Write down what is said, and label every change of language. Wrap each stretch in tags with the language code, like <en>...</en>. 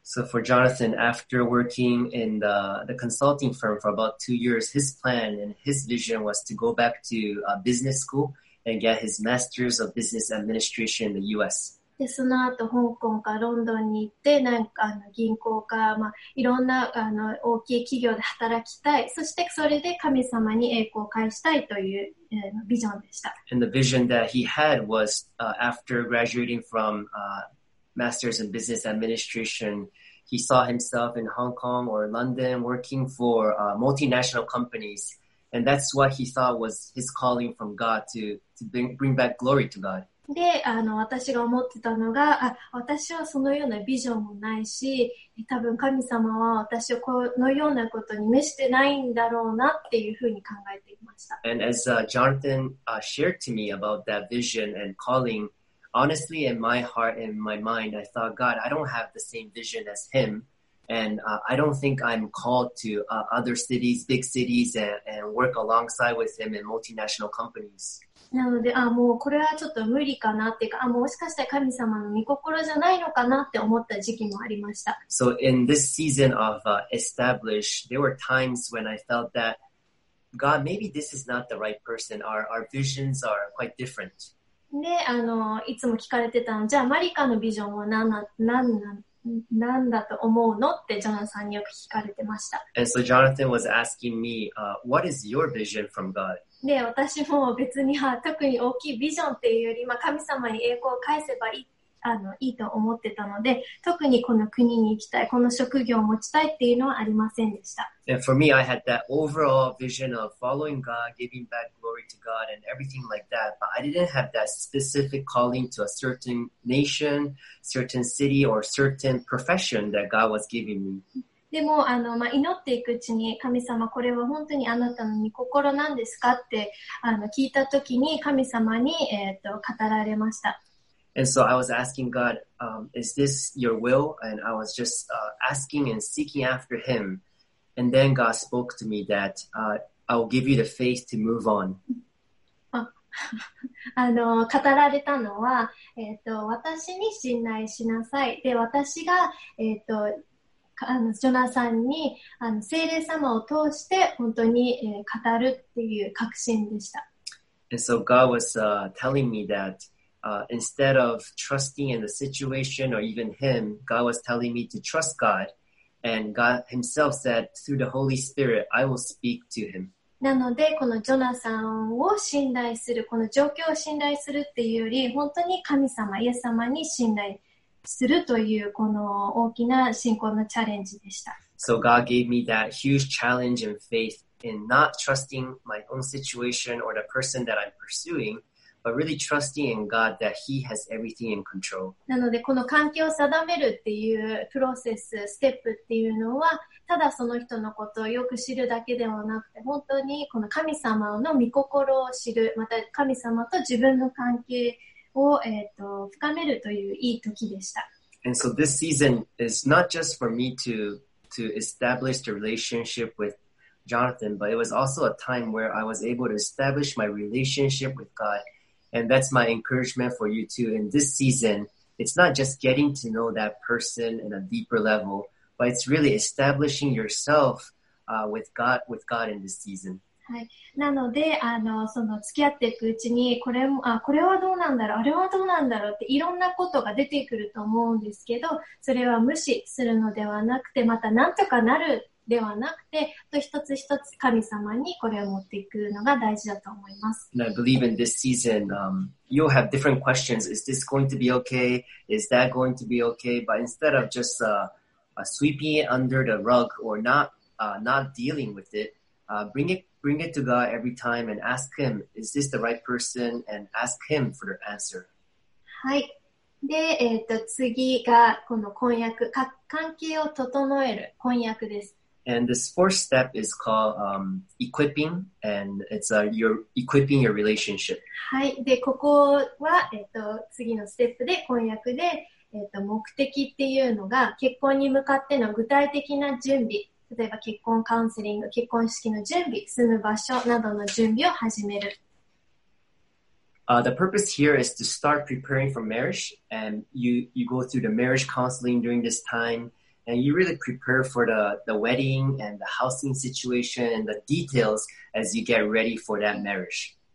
<en>So for Jonathan, after working in the consulting firm for about 2 years, his plan and his vision was to go back to a business school and get his master's of business administration in the US.</en> <ja>で、その後、香港かロンドンに行って、なんか銀行か、いろんな大きい企業で働きたい。そして、それで神様に栄光を返したいという、ビジョンでした。</ja> <en>And the vision that he had was, after graduating from, master's in business administration, he saw himself in Hong Kong or London working for, multinational companies. And that's what he thought was his calling from God to bring back glory to God.</en> <ja>で、私が思ってたのが、私はそのようなビジョンもないし、多分神様は私をこのようなことに召してないんだろうなっていうふうに考えていました。</ja> <en>And as, Jonathan, shared to me about that vision and calling, honestly, in my heart and my mind, I thought, God, I don't have the same vision as him, and, I don't think I'm called to, other cities, big cities, and work alongside with him in multinational companies.</en> <ja>なので、もうこれはちょっと無理かなっていうか、もしかしたら神様の御心じゃないのかなって思った時期もありました。</ja> <en>So in this season of, establish, there were times when I felt that, God, maybe this is not the right person. Our visions are quite different.</en> <ja>で、いつも聞かれてたの、じゃあマリカのビジョンは何だと思うのってジョナサンによく聞かれてました。</ja> <en>And so Jonathan was asking me, what is your vision from God?</en> <ja>で、私も別に特に大きいビジョンっていうより、神様に栄光を返せばいい、いいと思ってたので、特にこの国に行きたい、この職業を持ちたいっていうのはありませんでした。</ja> <en>And for me, I had that overall vision of following God, giving back glory to God, and everything like that, but I didn't have that specific calling to a certain nation, certain city, or certain profession that God was giving me.</en> <ja>でも祈っていくうちに神様これは本当にあなたの御心なんですかって聞いたときに神様に語られました。</ja> <en>And so I was asking God, is this your will? And I was just asking and seeking after Him. And then God spoke to me that I will give you the faith to move on.</en> <ja>語られたのは私に信頼しなさい。で私がジョナサンに聖霊様を通して本当に語るっていう確信でした。</ja> <en>And so God was telling me that instead of trusting in the situation or even him, God was telling me to trust God. And God himself said through the Holy Spirit, I will speak to him.</en> <ja>なので、このジョナサンを信頼する、この状況を信頼するっていうより、本当に神様、イエス様に信頼。するというこの大きな信仰のチャレンジでした。</ja> <en>So God gave me that huge challenge and faith in not trusting my own situation or the person that I'm pursuing, but really trusting in God that He has everything in control.</en> <ja>なのでこの環境を定めるっていうプロセス、ステップっていうのは、ただその人のことをよく知るだけではなくて、本当にこの神様の御心を知る、また神様と自分の関係を深めるといういい時でした。</ja> <en>And so this season is not just for me to establish the relationship with Jonathan, but it was also a time where I was able to establish my relationship with God. And that's my encouragement for you too. In this season, it's not just getting to know that person in a deeper level, but it's really establishing yourself with God in this season.</en> <ja>はい。なので、その付き合っていくうちに、これはどうなんだろう、あれはどうなんだろうって、いろんなことが出てくると思うんですけど、それは無視するのではなくて、またなんとかなるではなくて、と一つ一つ神様にこれを持っていくのが大事だと思います。</ja> <en>And I believe in this season, you'll have different questions. Is this going to be okay? Is that going to be okay? But instead of just, sweeping it under the rug or not dealing with it,Bring it to God every time and ask Him, is this the right person? And ask Him for the answer.</en> <ja>はい。で、次がこの婚約、関係を整える婚約です。</ja> <en>And this fourth step is called, equipping, and it's, your, equipping your relationship.</en> <ja>はい。で、ここは、次のステップで婚約で、目的っていうのが結婚に向かっての具体的な準備。例えば結婚カウンセリング、結婚式の準備、住む場所などの準備を始める。</ja> <en>The purpose here is to start preparing for marriage, and you go through the marriage counseling during this time, and you really prepare for the wedding and the housing situation and the details as you get ready for that marriage.</en>